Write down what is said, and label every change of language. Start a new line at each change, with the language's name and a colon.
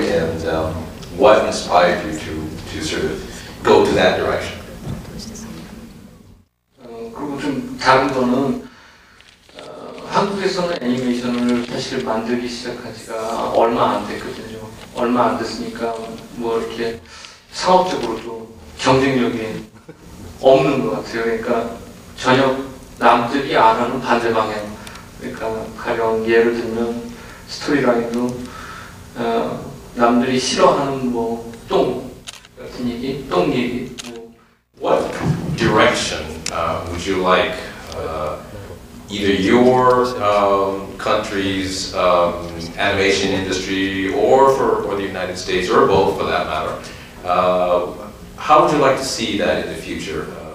English: And what inspired you to sort of go to that direction?
Korean: 그리고 좀 다른 거는 한국에서는 애니메이션을 사실 만들기 시작한 지가 얼마 안 됐거든요. 얼마 안 됐으니까 뭐 이렇게 상업적으로도 경쟁력이 없는 것 같아요. 그러니까 전혀 남들이 안 하는 반대 방향. 그러니까 가령 예를 들면 스토리라인도 남들이 싫어하는 뭐 똥 같은 얘기, 똥 얘기.
English: What direction would you like either your country's animation industry or the United States or both for that matter? How would you like to see that in the future?